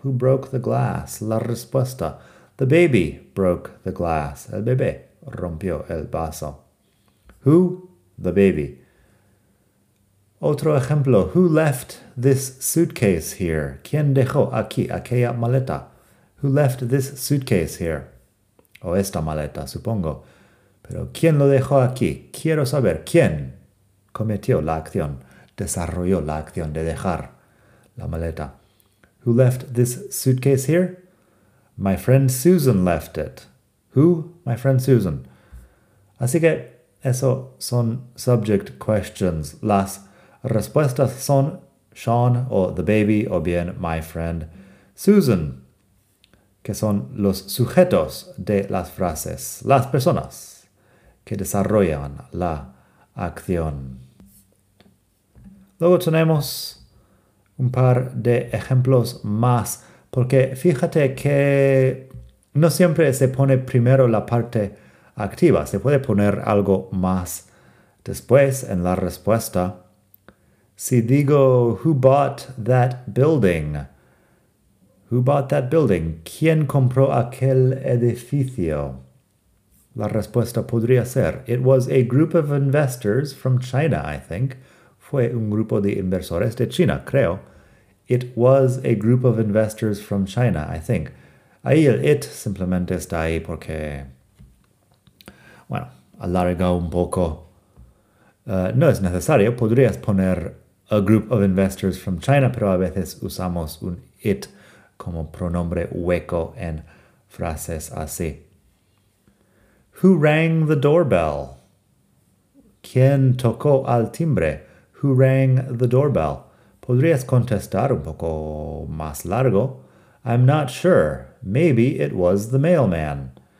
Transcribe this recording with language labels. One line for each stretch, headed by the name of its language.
English: Who broke the glass?
Spanish: La respuesta,
English: the baby broke the glass.
Spanish: El bebé rompió el vaso.
English: Who? The baby.
Spanish: Otro ejemplo,
English: who left this suitcase here?
Spanish: ¿Quién dejó aquí aquella maleta?
English: Who left this suitcase here?
Spanish: O esta maleta, supongo. Pero, ¿quién lo dejó aquí? Quiero saber, ¿quién cometió la acción, desarrolló la acción de dejar la maleta?
English: Who left this suitcase here? My friend Susan left it. Who? My friend Susan.
Spanish: Así que, eso son subject questions, las respuestas son Sean o
English: the baby
Spanish: o bien
English: my friend Susan,
Spanish: que son los sujetos de las frases, las personas que desarrollan la acción. Luego tenemos un par de ejemplos más, porque fíjate que no siempre se pone primero la parte activa, se puede poner algo más después en la respuesta. Si digo,
English: who bought that building? Who bought that building?
Spanish: ¿Quién compró aquel edificio? La respuesta podría ser,
English: it was a group of investors from China, I think.
Spanish: Fue un grupo de inversores de China, creo.
English: It was a group of investors from China, I think.
Spanish: Ahí el it simplemente está ahí porque, bueno, alarga un poco. No es necesario, podrías poner
English: a group of investors from China,
Spanish: pero a veces usamos un it como pronombre hueco en frases así.
English: Who rang the doorbell?
Spanish: ¿Quién tocó al timbre?
English: Who rang the doorbell?
Spanish: ¿Podrías contestar un poco más largo?
English: I'm not sure. Maybe it was the mailman.